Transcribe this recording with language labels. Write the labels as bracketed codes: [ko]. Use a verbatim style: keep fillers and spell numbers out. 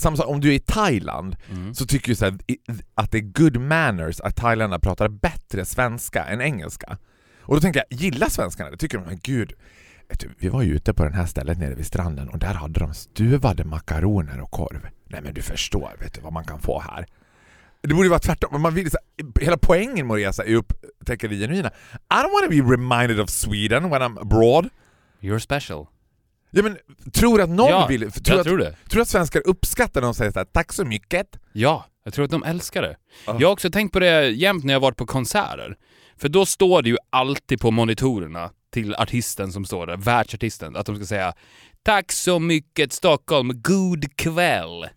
[sv] Samma sak, om du är i Thailand mm. så tycker du så här, att det är [en] good manners [sv] att thailändarna pratar bättre svenska än engelska. Och då tänker jag, gilla svenskarna? Det tycker de, men gud... Vi var ju ute på den här stället nere vid stranden och där hade de stuvade makaroner och korv. Nej, men du förstår, vet du vad man kan få här. Det borde ju vara tvärtom, men man vill så här, hela poängen med att resa är upp, tänker det genuina. [en] I don't want to be reminded of Sweden when I'm abroad. You're special. [sv] Ja, men tror att någon ja, vill tror att, tror det. Tror att svenskar uppskattar när de säger så här, tack så mycket. Ja, jag tror att de älskar det. Uh. Jag har också tänkt på det jämt när jag varit på konserter. För då står det ju alltid på monitorerna till artisten som står där, världsartisten, att de ska säga tack så mycket Stockholm, god kväll.